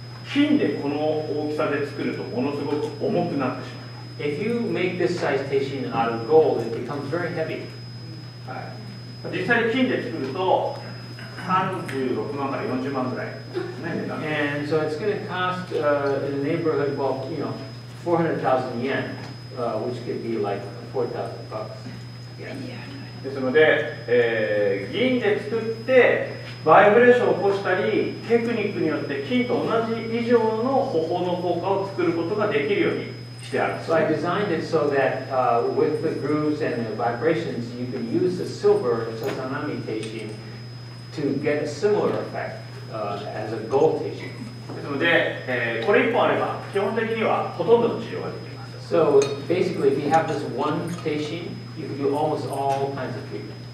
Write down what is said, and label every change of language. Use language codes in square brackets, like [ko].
[ja] 金でこの大きさで作るとものすごく重くなってしまう。 [en] If you make this size station out of gold, it becomes very heavy. [ja] 実際に金で作ると36万から40万ぐらい。 [en] And so it's going to cost in the neighborhood, well, you know, 400,000 yen, which could be like 4,000 bucks. [ja] ですので、銀で作ってバイブレーションを起こしたりテクニックによって金と同じ以上の歩法の効果を作ることができるようにしてあるんです [en] So I designed it so that with the grooves and the vibrations you can use the silver as a tsunami teishin to get a similar effect as a gold teishin。 [ja] ですので、これ1本あれば基本的にはほとんどの治療ができます。 [en] So basically if you have this one teishinYou can do almost all kinds of treatment.